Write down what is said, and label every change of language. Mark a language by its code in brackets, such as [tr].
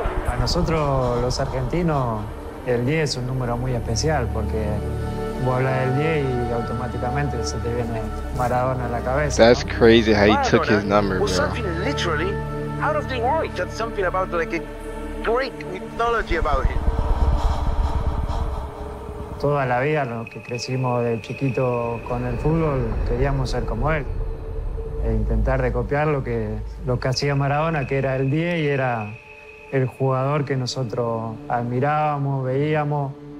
[es] A nosotros los argentinos el 10 es un número muy especial porque vos hablas del 10 y automáticamente se te viene Maradona a la cabeza. [en] That's crazy how he took his number, bro. Was something literally out of the world. He's got something about like a Greek mythology about him. [es] Toda la vida, los que crecimos de chiquito con el fútbol, queríamos ser como él. E intentar de copiar lo que hacía Maradona, que era el 10 y era el jugador que nosotros admirábamos, veíamos.